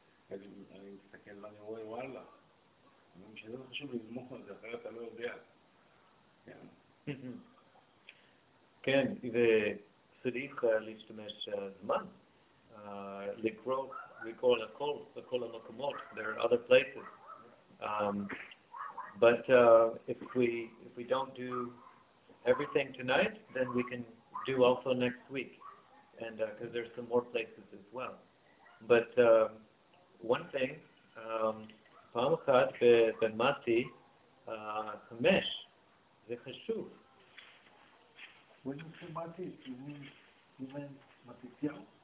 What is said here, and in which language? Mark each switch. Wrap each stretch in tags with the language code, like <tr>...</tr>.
<he>אני מסתכל ואני רואה וואלה. אני אומר שזה חשוב לזמוך על זה, אחרי אתה לא יודע. כן, וצריך להשתמש זמן, לקרוא, לקרוא לכל, לכל המקומות,</he> <en>there are other places. But if we don't do everything tonight, then we can do also next week, and because there's some more places as well. But one thing,</en> <he>פעם אחת במתי חמש, זה חשוב.</he> <en>When you say מתי, you mean מתתיהו?</en>